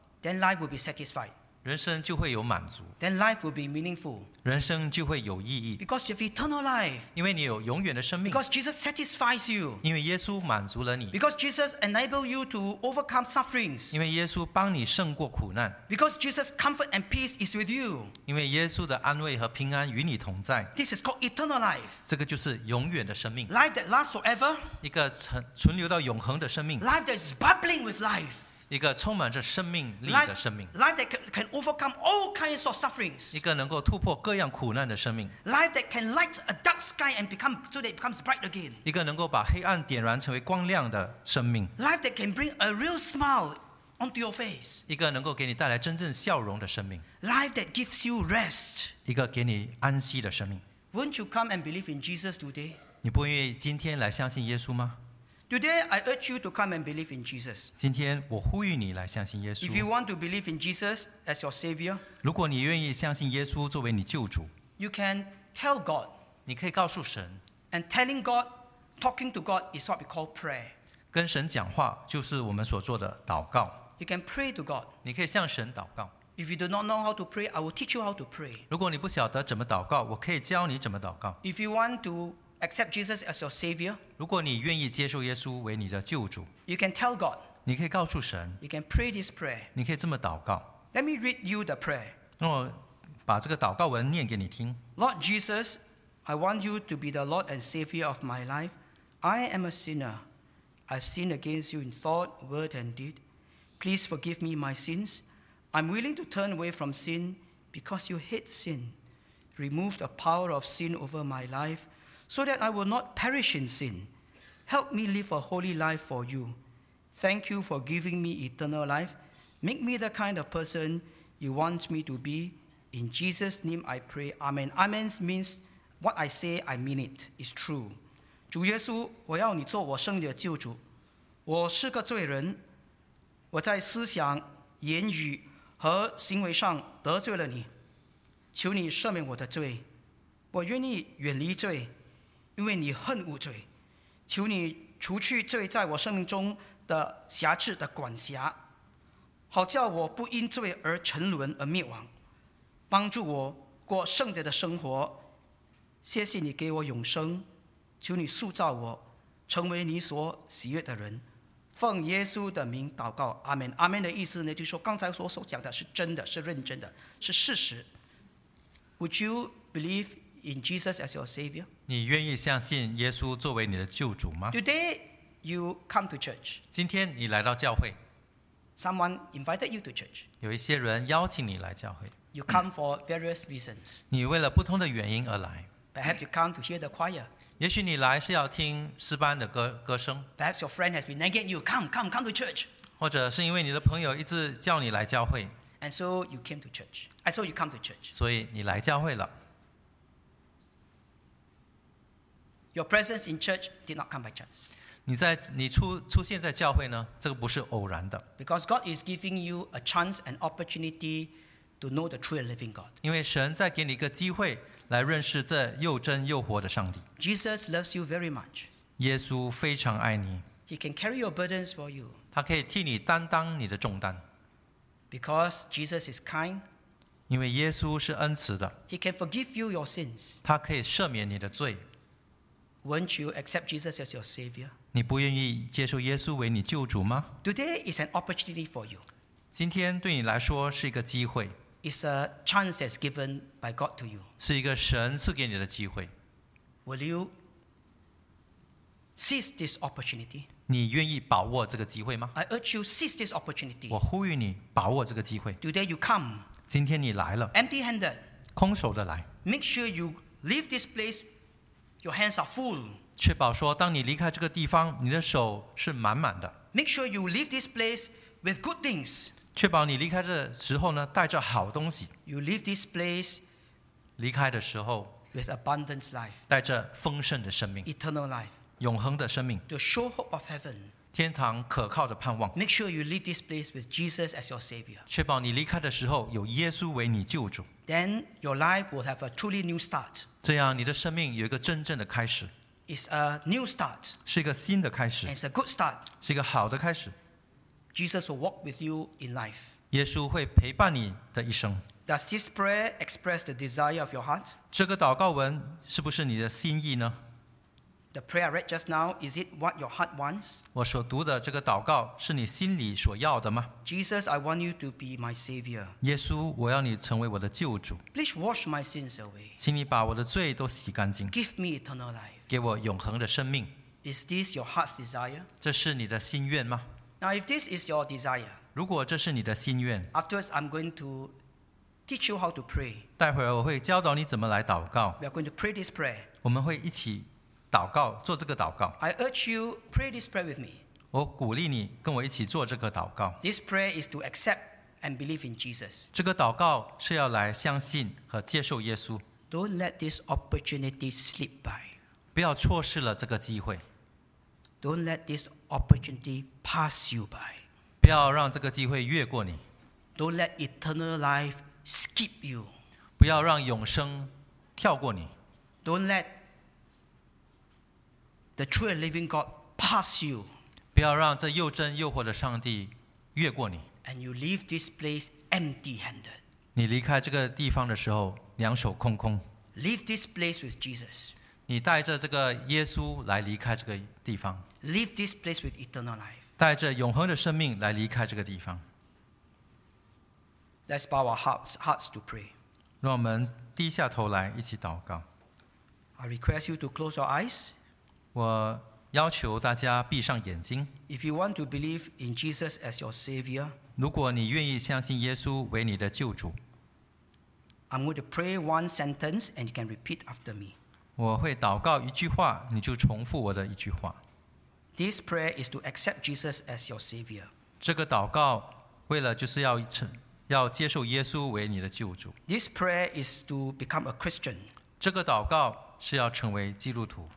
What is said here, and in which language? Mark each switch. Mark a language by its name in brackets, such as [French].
[English] Then life will be satisfied. [Chinese] 人生就会有满足。 [English] Then life will be meaningful. [Chinese] 人生就会有意义。 [English] Because you have eternal life. [Chinese] 因为你有永远的生命。 [English] Because Jesus satisfies you. [Chinese] 因为耶稣满足了你。 [English] Because Jesus enables you to overcome sufferings. [Chinese] 因为耶稣帮你胜过苦难。 [English] Because Jesus' comfort and peace is with you. [Chinese] 因为耶稣的安慰和平安与你同在。 [English] This is called eternal life. [Chinese] 这个就是永远的生命。 [English] Life that lasts forever. [Chinese] 一个存留到永恒的生命。 [English] Life that is bubbling with life. [Chinese] 一个充满着生命力的生命 [English] life that can overcome all kinds of sufferings. [Chinese] 一个能够突破各样苦难的生命。 [English] Life that can light a dark sky and become so that it becomes bright again. [Chinese] 一个能够把黑暗点燃成为光亮的生命。 [English] Life that can bring a real smile onto your face. [Chinese] 一个能够给你带来真正笑容的生命。 [English] Life that gives you rest. [Chinese] 一个给你安息的生命。 [English] Won't you come and believe in Jesus today? [Chinese] 你不愿意今天来相信耶稣吗？ [English] Today I urge you to come and believe in Jesus. [Chinese] 今天我呼吁你来相信耶稣。 [English] If you want to believe in Jesus as your Savior, [Chinese] 如果你愿意相信耶稣作为你救主， [English] you can tell God. [Chinese] 你可以告诉神。 [English] And telling God, talking to God is what we call prayer. [Chinese] 跟神讲话就是我们所做的祷告。 [English] You can pray to God. [Chinese] 你可以向神祷告。 [English] If you do not know how to pray, I will teach you how to pray. [Chinese] 如果你不晓得怎么祷告，我可以教你怎么祷告。 [English] If you want to accept Jesus as your Savior. [Chinese] 如果你愿意接受耶稣为你的救主， [English] you can tell God. [Chinese] 你可以告诉神， [English] you can pray this prayer. [Chinese] 你可以这么祷告。 [English] Let me read you the prayer. [Chinese] 让我把这个祷告文念给你听。 [English] Lord Jesus, I want you to be the Lord and Savior of my life. I am a sinner. I've sinned against you in thought, word and deed. Please forgive me my sins. I'm willing to turn away from sin because you hate sin. Remove the power of sin over my life. So that I will not perish in sin. Help me live a holy life for you. Thank you for giving me eternal life. Make me the kind of person you want me to be. In Jesus' name I pray. Amen. Amen means what I say, I mean it. It's true. [Chinese] 主耶稣，我要你做我生命的救主。我是个罪人。我在思想、言语和行为上得罪了你。求你赦免我的罪。我愿意远离罪。因为你恨恶罪，求你除去罪在我生命中的瑕疵的管辖，好叫我不因罪而沉沦而灭亡，帮助我过圣洁的生活。谢谢你给我永生，求你塑造我，成为你所喜悦的人。奉耶稣的名祷告，阿门。阿门的意思呢，就是说刚才我所讲的是真的，是认真的，是事实。 [English] Would you believe in Jesus as your Savior? [Chinese] 你愿意相信耶稣作为你的救主吗？ [English] Today you come to church. [Chinese] 今天你来到教会。 [English] Someone invited you to church. [Chinese] 有一些人邀请你来教会。 [English] You come for various reasons. [Chinese] 你为了不同的原因而来。 [English] Perhaps you come to hear the choir. [Chinese] 也许你来是要听诗班的 歌声。 [English] Perhaps your friend has been nagging you, come to church. [Chinese] 或者是因为你的朋友一直叫你来教会。 [English] And so you came to church. And so you come to church. [Chinese] 所以你来教会了。 [English] Your presence in church did not come by chance. [Chinese] 你出现在教会呢，这个不是偶然的。 [English] Because God is giving you a chance and opportunity to know the true and living God. [Chinese] 因为神在给你一个机会来认识这又真又活的上帝。 [English] Jesus loves you very much. [Chinese] 耶稣非常爱你。 [English] He can carry your burdens for you. [Chinese] 他可以替你担当你的重担。 [English] Because Jesus is kind. [Chinese] 因为耶稣是恩慈的。 [English] He can forgive you your sins. [Chinese] 他可以赦免你的罪。 [English] Won't you accept Jesus as your Savior? [Chinese] 你不愿意接受耶稣为你救主吗？ [English] Today is an opportunity for you. [Chinese] 今天对你来说是一个机会。 [English] It's a chance that's given by God to you. [Chinese] 是一个神赐给你的机会。 [English] Will you seize this opportunity? [Chinese] 你愿意把握这个机会吗？ [English] I urge you seize this opportunity. [Chinese] 我呼吁你把握这个机会。 [English] Today you come. [Chinese] 今天你来了。 [English] Empty-handed. [Chinese] 空手的来。 [English] Make sure you leave this place. Your hands are full. [Chinese] 确保说，当你离开这个地方，你的手是满满的。 [English] Make sure you leave this place with good things. [Chinese] 确保你离开的时候呢，带着好东西。 [English] You leave this place. [Chinese] 离开的时候 [English] with abundant life. [Chinese] 带着丰盛的生命。 [English] Eternal life. [Chinese] 永恒的生命。 [English] The sure hope of heaven. [Chinese] 天堂可靠的盼望。 [English] Make sure you leave this place with Jesus as your Savior. [Chinese] 确保你离开的时候有耶稣为你救主。 [English] Then your life will have a truly new start. [Chinese] 这样你的生命有一个真正的开始。 [English] It's a new start. [Chinese] 是一个新的开始。 [English] It's a good start. [Chinese] 是一个好的开始。 [English] Jesus will walk with you in life. [Chinese] 耶稣会陪伴你的一生。 [English] Does this prayer express the desire of your heart? [Chinese] 这个祷告文是不是你的心意呢？ [English] The prayer I read just now, is it what your heart wants? [Chinese] 我所读的这个祷告是你心里所要的吗？ [English] Jesus, I want you to be my Savior. [Chinese] 耶稣，我要你成为我的救主。 [English] Please wash my sins away. [Chinese] 请你把我的罪都洗干净。 [English] Give me eternal life. [Chinese] 给我永恒的生命。 [English] Is this your heart's desire? [Chinese] 这是你的心愿吗？ [English] Now, if this is your desire, [Chinese] 如果这是你的心愿, [English] afterwards, I'm going to teach you how to pray. [Chinese] 待会儿我会教导你怎么来祷告。 [English] We are going to pray this prayer. [Chinese] 我们会一起祷告，做这个祷告。 [English] I urge you pray this prayer with me. [Chinese] 我鼓励你跟我一起做这个祷告。 [English] This prayer is to accept and believe in Jesus. [Chinese] 这个祷告是要来相信和接受耶稣。 [English] Don't let this opportunity slip by. [Chinese] 不要错失了这个机会。 [English] Don't let this opportunity pass you by. [Chinese] 不要让这个机会越过你。 [English] Don't let eternal life skip you. [Chinese] 不要让永生跳过你。 [English] Don't let the true and living God pass you. [Chinese] 不要让这又真又活的上帝越过你。 [English] And you leave this place empty-handed. [Chinese] 你离开这个地方的时候，两手空空。 [English] Leave this place with Jesus. [Chinese] 你带着这个耶稣来离开这个地方。 [English] Leave this place with eternal life. [Chinese] 带着永恒的生命来离开这个地方。 [English] Let's bow our hearts to pray. [Chinese] 让我们低下头来一起祷告。 [English] I request you to close your eyes. [Chinese] 我要求大家闭上眼睛。 [English] If you want to believe in Jesus as your Savior, [Chinese] 如果你愿意相信耶稣为你的救主。 [English] I'm going to pray one sentence and you can repeat after me. [Chinese] 我会祷告一句话，你就重复我的一句话。 [English] This prayer is to accept Jesus as your Savior. [Chinese] 这个祷告为了就是要接受耶稣为你的救主。 [English] This prayer is to become a Christian. [Chinese] 这个祷告是要成为基督徒。